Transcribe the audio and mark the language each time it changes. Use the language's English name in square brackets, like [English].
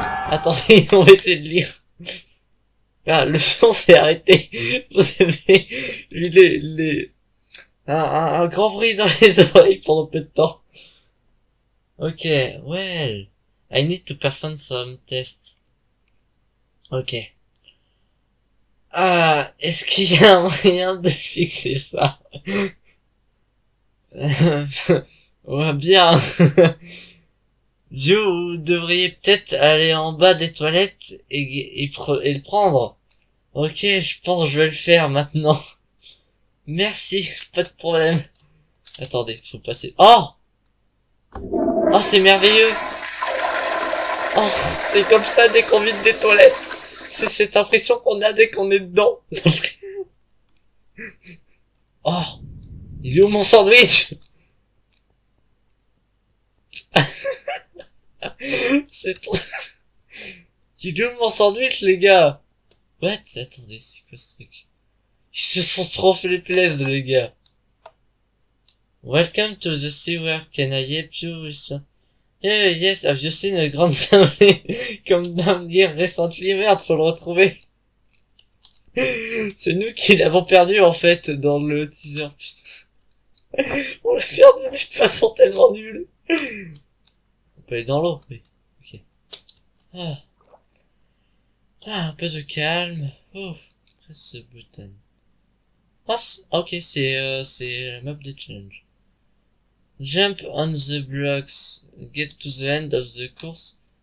[French] Attendez, on va essayer de lire. Ah, le son s'est arrêté. Vous avez eu un grand bruit dans les oreilles pendant peu de temps. [English] Ok, well, I need to perform some tests. Ok. [French] Ah, est-ce qu'il y a un moyen de fixer ça? Ouais, bien. You, vous devriez peut-être aller en bas des toilettes et le prendre. Ok, je pense que je vais le faire maintenant. Merci, pas de problème. Attendez, faut passer. Oh! Oh, c'est merveilleux! Oh, c'est comme ça dès qu'on vide des toilettes. C'est cette impression qu'on a dès qu'on est dedans. Oh! Il est où mon sandwich? C'est trop... Du doom en sandwich, les gars! What? Attendez, c'est quoi ce truc? Ils se sont trop fait les plaisirs, les gars! [English] Welcome to the sewer, can I help you with... yes, have you seen a grand zombie come down here recently? [French] Merde, faut le retrouver! C'est nous qui l'avons perdu, en fait, dans le teaser. On l'a perdu d'une façon tellement nulle! On peut aller dans l'eau, mais... Ah. Ah, un peu de calme. Ouf, [English] press [French] ce button. Ah, ok, c'est la map des challenges. [English] Jump on the blocks. Get to the end of the course.